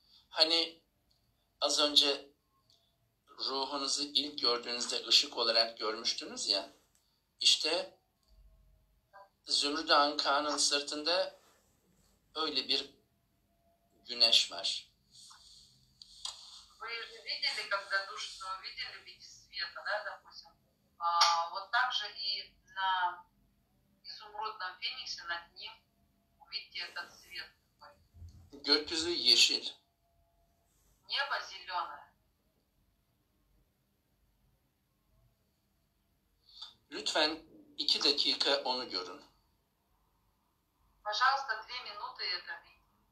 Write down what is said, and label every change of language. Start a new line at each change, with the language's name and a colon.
Turkish: Hani az önce ruhunuzu ilk gördüğünüzde ışık olarak görmüştünüz ya, işte Zümrüt Anka'nın sırtında öyle bir güneş var.
Russian: Вы же видели, когда душу видели в виде света, да, допустим? Вот так же и на изумрудном фениксе над ним увидите этот свет.
Turkish: Gökyüzü yeşil.
Russian: Небо зеленое.
Turkish: Lütfen 2 dakika onu görün.
Russian: Пожалуйста, 2 минуты это видите.